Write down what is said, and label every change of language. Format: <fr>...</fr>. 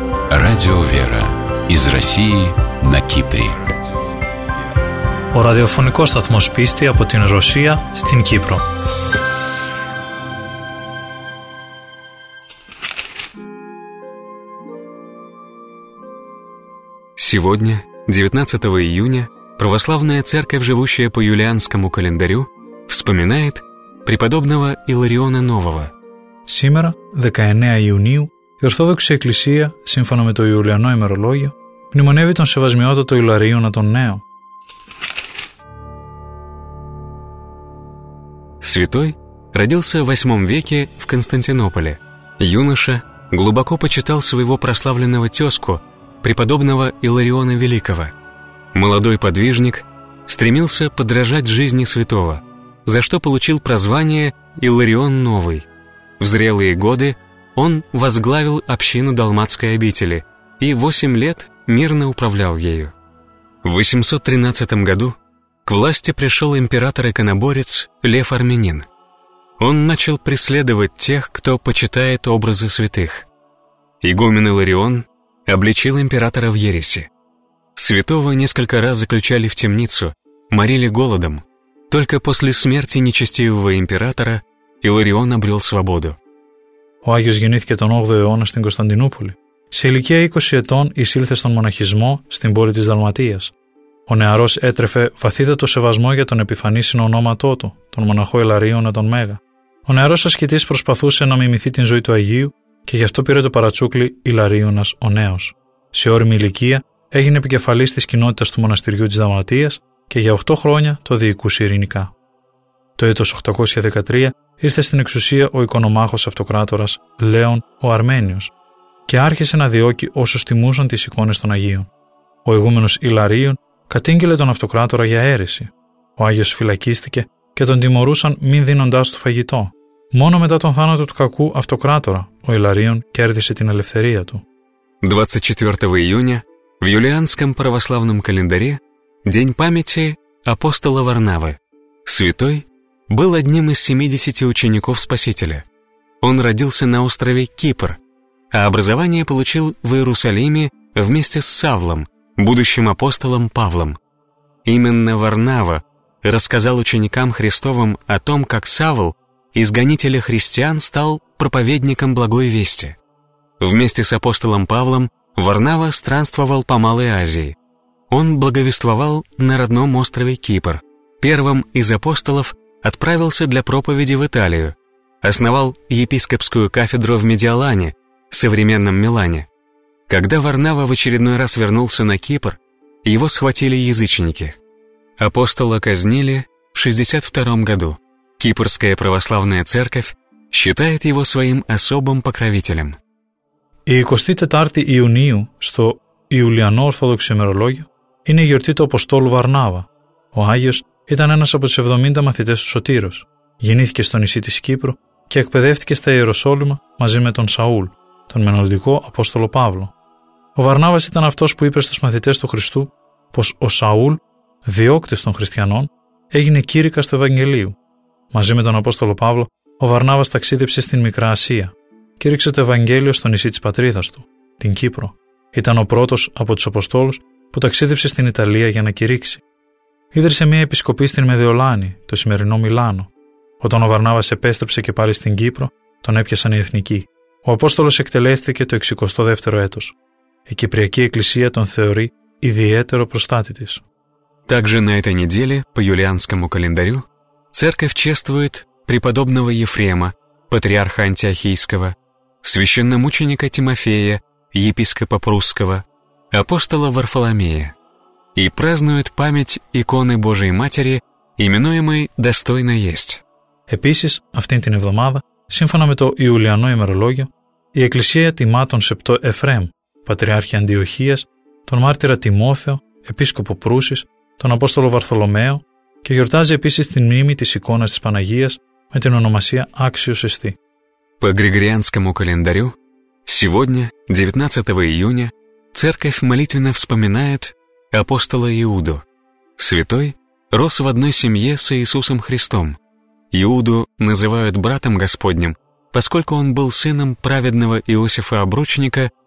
<ru>Радио «Вера» из России на Кипре.</ru> <el>Ο ραδιοφωνικός σταθμός πίστη από την Ρωσία στην Κύπρο.</el> <ru>Сегодня, 19 июня, Православная Церковь, живущая по юлианскому календарю, вспоминает преподобного Илариона Нового. Сегодня, 19 июня,</ru> <el>η Ορθόδοξη Εκκλησία, σύμφωνα με το Ιουλιανό ημερολόγιο, μνημονεύει τον Σεβασμιότατο Ιλαρίωνα τον Νέο.</el> <ru>Святой родился в 8 веке в Константинополе. Юноша глубоко почитал своего прославленного тезку, преподобного Илариона Великого. Молодой подвижник стремился подражать жизни святого, за что получил прозвание Иларион Новый. В зрелые годы он возглавил общину Далматской обители и 8 лет мирно управлял ею. В 813 году к власти пришел император-иконоборец Лев Армянин. Он начал преследовать тех, кто почитает образы святых. Игумен Иларион обличил императора в ереси. Святого несколько раз заключали в темницу, морили голодом. Только после смерти нечестивого императора Иларион обрел свободу.</ru> <el>Ο Άγιος γεννήθηκε τον 8ο αιώνα στην Κωνσταντινούπολη. Σε ηλικία 20 ετών εισήλθε στον μοναχισμό στην πόλη της Δαλματίας. Ο νεαρός έτρεφε βαθύτατο σεβασμό για τον επιφανήσινο ονόματό του, τον μοναχό Ιλαρίωνα τον Μέγα. Ο νεαρός ασκητής προσπαθούσε να μιμηθεί την ζωή του Αγίου και γι' αυτό πήρε το παρατσούκλι Ιλαρίωνας ο Νέος. Σε όρημη ηλικία έγινε επικεφαλής της κοινότητας του μοναστηριού της Δαλματίας και για 8 χρόνια το διοικούσε ειρηνικά. Το έτος 813 ήρθε στην εξουσία ο οικονομάχος αυτοκράτορας Λέων ο Αρμένιος και άρχισε να διώκει όσους τιμούσαν τις εικόνες των Αγίων. Ο ηγούμενος Ιλαρίων κατήγγειλε τον αυτοκράτορα για αίρεση. Ο Άγιος φυλακίστηκε και τον τιμωρούσαν μην δίνοντάς του φαγητό. Μόνο μετά τον θάνατο του κακού αυτοκράτορα ο Ιλαρίων κέρδισε την ελευθερία του.</el> <ru>24 Ιούνια, в юлианском православном календаре, день памяти апостола Варнавы, святой, был одним из 70 учеников Спасителя. Он родился на острове Кипр, а образование получил в Иерусалиме вместе с Савлом, будущим апостолом Павлом. Именно Варнава рассказал ученикам Христовым о том, как Савл, изгонитель христиан, стал проповедником Благой Вести. Вместе с апостолом Павлом Варнава странствовал по Малой Азии. Он благовествовал на родном острове Кипр. Первым из апостолов отправился для проповеди в Италию, основал епископскую кафедру в Медиолане, современном Милане. Когда Варнава в очередной раз вернулся на Кипр, его схватили язычники. Апостола казнили в 62 году. Кипрская православная церковь считает его своим особым покровителем.</ru> <el>24 июня, что Юлиано Ортодоксе Мерологио, είναι η γιορτή του Αποστόλου Βαρνάβα. Ο Άγιος ήταν ένας από τους 70 μαθητές του Σωτήρος. Γεννήθηκε στο νησί της Κύπρου και εκπαιδεύτηκε στα Ιεροσόλυμα μαζί με τον Σαούλ, τον μενονδικό Απόστολο Παύλο. Ο Βαρνάβας ήταν αυτός που είπε στους μαθητές του Χριστού πως ο Σαούλ, διώκτης των χριστιανών, έγινε κήρυκας του Ευαγγελίου. Μαζί με τον Απόστολο Παύλο, ο Βαρνάβας ταξίδεψε στην Μικρά Ασία. Κήρυξε το Ευαγγέλιο στο νησί της πατρίδας του, την Κύπρο. Ήταν ο πρώτος από τους Αποστόλους που ταξίδεψε στην Ιταλία για να κηρύξει. Ίδρυσε μια επισκοπή στην Μεδεολάνη, το σημερινό Μιλάνο. Όταν ο Βαρνάβας επέστρεψε και πάλι στην Κύπρο, τον έπιασαν οι εθνικοί. Ο Απόστολος εκτελέστηκε το 62ο έτος. Η Κυπριακή Εκκλησία τον θεωρεί ιδιαίτερο προστάτη της.</el> <ru>Также на этой неделе, по юлианскому календарю, церковь чествует преподобного Ефрема, патриарха Антиохийского, священномученика Тимофея, епископа прусского, апостола Варфоломея, и празднует память иконы Божией Матери, именуемой «Достойно есть».</ru> <el>Επίσης, αυτήν την εβδομάδα, σύμφωνα με το Ιουλιανό ημερολόγιο, η Εκκλησία τιμά τον Σεπτό Εφραίμ, Πατριάρχη Αντιοχίας, τον Μάρτυρα Τιμόθεο, Επίσκοπο Προύσης, τον Απόστολο Βαρθολομαίο και γιορτάζει επίσης την μνήμη της εικόνας της Παναγίας με την ονομασία Άξιος Εστί.</el> <ru>По Григорианскому календарю, сегодня, 19 июня, Церковь молитвенно вспоминает апостола Иуду. Святой рос в одной семье с Иисусом Христом. Иуду называют братом Господним, поскольку он был сыном праведного Иосифа-обручника</ru>